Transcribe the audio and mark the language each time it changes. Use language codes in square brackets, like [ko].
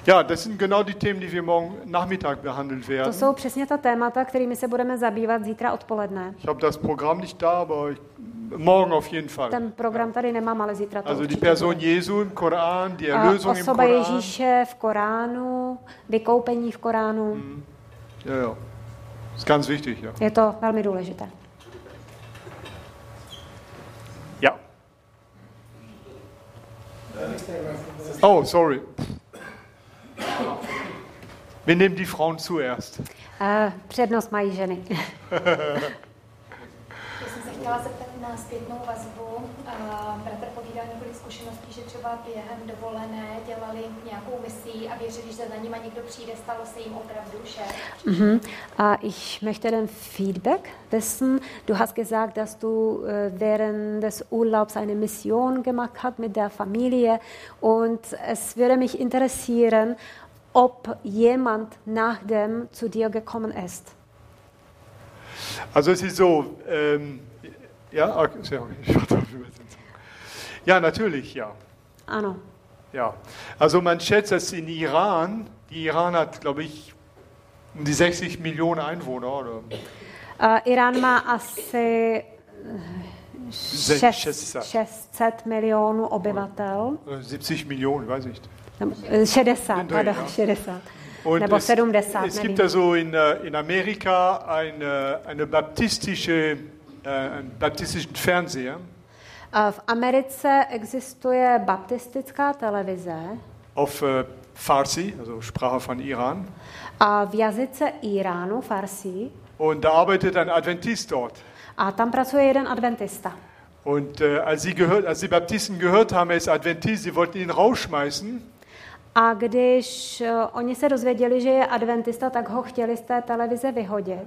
[de] Ja, das sind genau die Themen, die wir morgen Nachmittag behandeln werden. [cs] To jsou přesně ta témata, kterými se budeme zabývat zítra odpoledne. [de] Ich habe das Programm nicht da, aber morgen auf jeden Fall. [cs] Ten program tady nemám, ale zítra to [de] Also die Person Jesu im Koran, die Erlösung im Koran. [cs] Osoba Ježíše v Koránu, vykoupení v Koránu. Mm. [de] Jo, jo. Ist ganz wichtig, ja. [cs] Je to velmi důležité. [de] Ja. [en] Oh, sorry. [de] Wir nehmen die Frauen zuerst. [cs] Přednost mají ženy. Chtěla zeptat na zpětnou vazbu. Bratr povídal několik zkušeností, že třeba během dovolené dělali nějakou misi a věřili, že za nima někdo přijde, stalo se jim opravdu vše. [de] Mm-hmm. Ich möchte den Feedback wissen. Du hast gesagt, dass du während des Urlaubs eine Mission gemacht hast mit der Familie und es würde mich interessieren, ob jemand nach dem zu dir gekommen ist. Also es ist so, ja, okay, ich warte auf Übersetzung. Ja, natürlich, ja. [cs] Ano. [de] Ja, also man schätzt, dass in Iran, die Iran hat, glaube ich, um die 60 Millionen Einwohner, oder? [cs] Iran má asi 600 Millionen obyvatel. [de] 70 Millionen, weiß ich. 60, oder 60. Und [cs] nebo 70, [de] es gibt da so in Amerika eine baptistischen Fernseher. [cs] V Americe existuje baptistická televize. [de] Auf Farsi, also Sprache von Iran. [cs] A v jazyce Iránu, Farsi. [de] Und da arbeitet ein Adventist dort. [cs] A tam pracuje jeden Adventista. [de] Und als die Baptisten gehört haben, er ist Adventist, sie wollten ihn rausschmeißen. [cs] A když oni se dozvěděli, že je adventista, tak ho chtěli z té televize vyhodit.